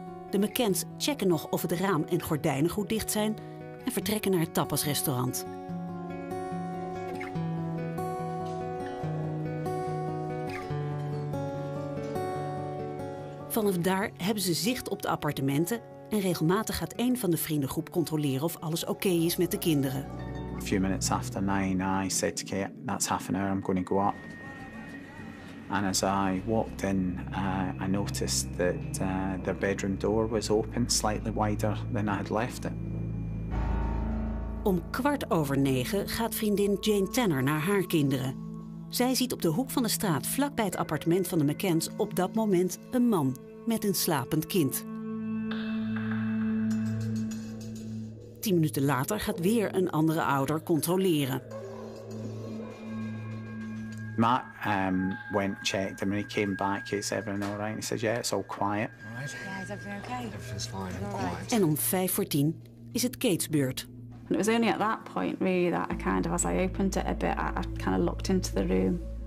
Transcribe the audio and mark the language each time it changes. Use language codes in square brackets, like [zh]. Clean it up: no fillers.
[nl] De McCanns checken nog of het raam en gordijnen goed dicht zijn en vertrekken naar het tapasrestaurant. Vanaf daar hebben ze zicht op de appartementen en regelmatig gaat een van de vriendengroep controleren of alles oké is met de kinderen. [en] A few minutes after 9, I said to Kate, that's 1/2 hour, I'm going to go up. And as I walked in, I noticed that their bedroom door was open, slightly wider than I had left it. [nl] Om 9:15 gaat vriendin Jane Tanner naar haar kinderen. Zij ziet op de hoek van de straat vlakbij het appartement van de McCanns op dat moment een man met een slapend kind. 10 minuten later gaat weer een andere ouder controleren. [en] Matt went checked and when he came back, he said, "Everything all right?" He said, "Yeah, it's all quiet." All right. Yeah, is everything okay? Everything's fine. All right. [nl] En om 9:45 is het Kate's beurt. [en] And it was only at that point really that I kind of, as I opened it a bit, I kind of looked into the room.